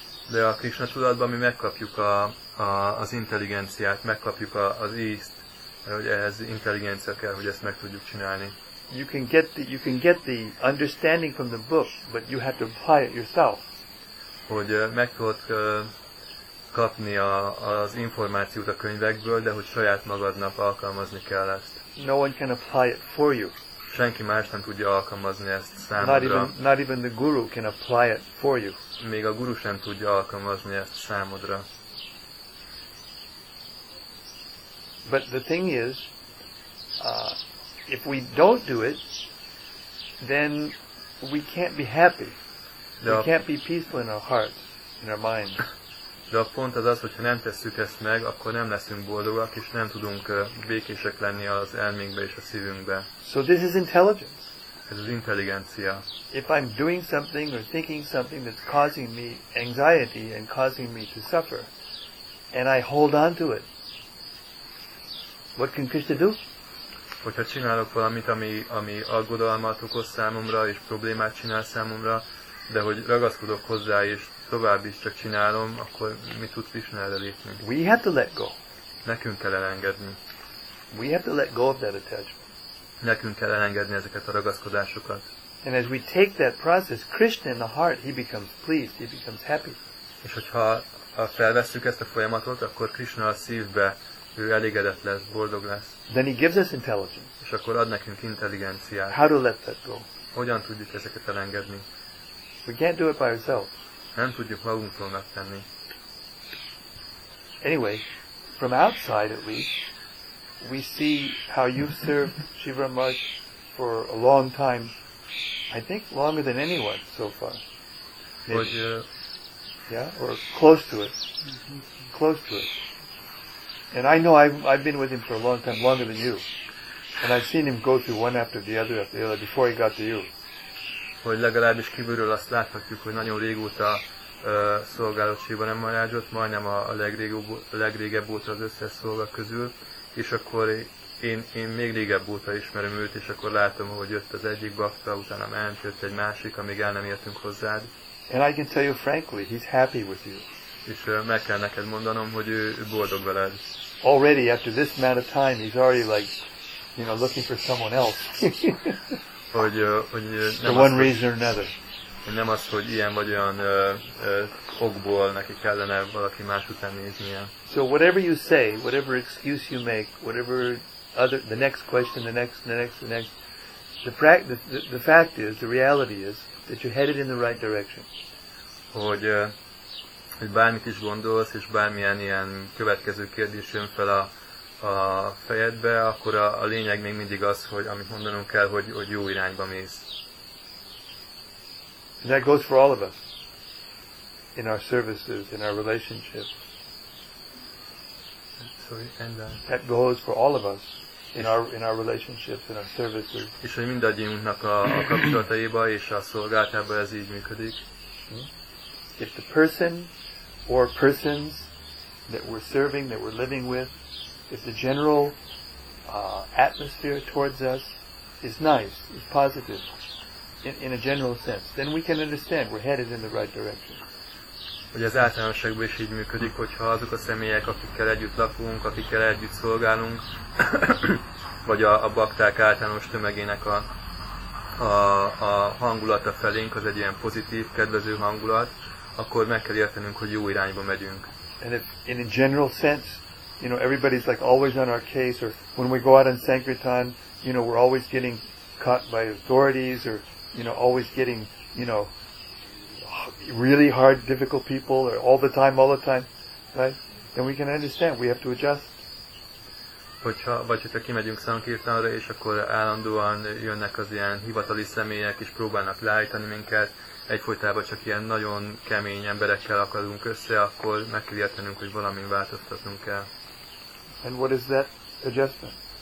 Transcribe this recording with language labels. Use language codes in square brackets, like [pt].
[hu] De a Krishna tudatban mi megkapjuk az intelligenciát, megkapjuk az ízt, hogy ehhez intelligencia kell, hogy ezt meg tudjuk csinálni. [en] you can get the understanding from the book, but you have to apply it yourself. [hu] Hogy meg tudod kapni az információt a könyvekből, de hogy saját magadnak alkalmazni kell ezt. [en] No one can apply it for you. [hu] Senki más nem tudja alkalmazni ezt számodra. [en] Not even the guru can apply it for you. [hu] Még a guru sem tudja alkalmazni ezt számodra. [en] But the thing is, if we don't do it, then we can't be happy. We can't be peaceful in our heart, in our mind. [hu] De a pont az, hogyha nem tesszük ezt meg, akkor nem leszünk boldogak, és nem tudunk békések lenni az elménkbe és a szívünkbe. [en] So this is intelligence. [hu] Ez az intelligencia. [en] If I'm doing something or thinking something that's causing me anxiety and causing me to suffer, and I hold on to it, what can Krishna do? [hu] Hogyha csinálok valamit, ami aggodalmat okoz számomra, és problémát csinál számomra, de hogy ragaszkodok hozzá, és tovább is csak csinálom, akkor mi tud Krishna erre lépni? [en] We have to let go. [hu] Nekünk kell elengedni. [en] We have to let go of that attachment. [hu] Nekünk kell elengedni ezeket a ragaszkodásokat. [en] And as we take that process, Krishna in the heart, he becomes pleased, he becomes happy. [hu] És hogyha felvesszük ezt a folyamatot, akkor Krishna a szívbe, ő elégedett lesz, boldog lesz. [en] Then he gives us intelligence. [hu] És akkor ad nekünk intelligenciát. [en] How to let that go? [hu] Hogyan tudjuk ezeket elengedni? [en] We can't do it by ourselves. [hu] Nem tudjuk magunktól megtenni. [en] Anyway, from outside at least, we see how you've served Shiva Maharaj for a long time. I think longer than anyone so far. Maybe. [hu] Hogy, [en] yeah, or close to it. Mm-hmm. Close to it. And I know I've been with him for a long time, longer than you. And I've seen him go through one after the other before he got to you. [hu] Hogy legalábbis kívülről azt láthatjuk, hogy nagyon régóta szolgálott Shiva Maharajot, majdnem a legrégebb óta az összes szolga közül, és akkor én még régebb óta ismerem őt, és akkor látom, hogy jött az egyik bakta, utána ment, jött egy másik, amíg el nem értünk hozzád. [en] And I can tell you frankly, he's happy with you. [hu] És meg kell neked mondanom, hogy ő boldog veled. [en] Already after this amount of time, he's already like, you know, looking for someone else. [hu] Hogy nem [en] for one [hu] az, [en] reason or another. [hu] Nem az, hogy ilyen vagy olyan okból neki kellene valaki más után néznie. [en] So whatever you say, whatever excuse you make, whatever other, the next question, the next, the fact is, the reality is, that you're headed in the right direction. [hu] Hogy bármit is gondolsz, és bármilyen ilyen következő kérdés jön fel a fejedbe, akkor a lényeg még mindig az, hogy amit mondanunk kell, hogy jó irányba mész. [en] And that goes for all of us. In our services, in our relationship. Sorry, and that goes for all of us. In our relationships, in our services. [hu] És hogy mindannyiunknak a kapcsolataiba és a szolgálatába ez így működik. [en] If the person or persons that we're serving, that we're living with, if the general atmosphere towards us is nice, is positive, in a general sense, then we can understand we're headed in the right direction. [hu] Hogy az általánosságban is így működik, hogyha azok a személyek, akikkel együtt lakunk, akikkel együtt szolgálunk, vagy a bakták általános tömegének a hangulata felénk, az egy ilyen pozitív, kedvező hangulat, akkor meg kell értenünk, hogy jó irányba megyünk. [en] And if, in a general sense, you know, everybody's like always on our case, or when we go out in Sankirtan, you know, we're always getting caught by authorities, or, you know, always getting, you know, really hard, difficult people, or all the time, right? Then we can understand, we have to adjust. [hu] Vagy hogyha kimegyünk Sankirtanra, és akkor állandóan jönnek az ilyen hivatali személyek, és próbálnak leállítani minket, egyfolytában csak ilyen nagyon kemény emberekkel akadunk össze, akkor meg kell értenünk, hogy valamin változtatnunk kell. [en] And what is that adjustment?